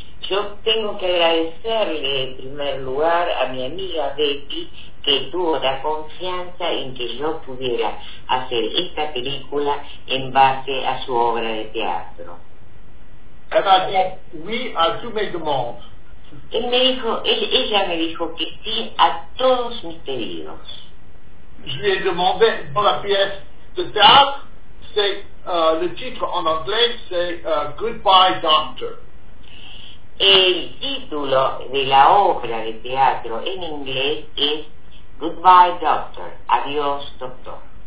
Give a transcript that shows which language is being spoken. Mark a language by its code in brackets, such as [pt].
[es] Yo tengo que agradecerle en primer lugar a mi amiga Betty que tuvo la confianza en que yo pudiera hacer esta película en base a su obra de teatro. Ella dijo oui a todas mis demandas. Ella me dijo que sí a todos mis pedidos. [fr] Je lui ai demandé dans la pièce de théâtre, c'est le titre en anglais, c'est Goodbye Doctor. [es] El título de la obra de teatro en inglés es Goodbye Doctor, adiós doctor.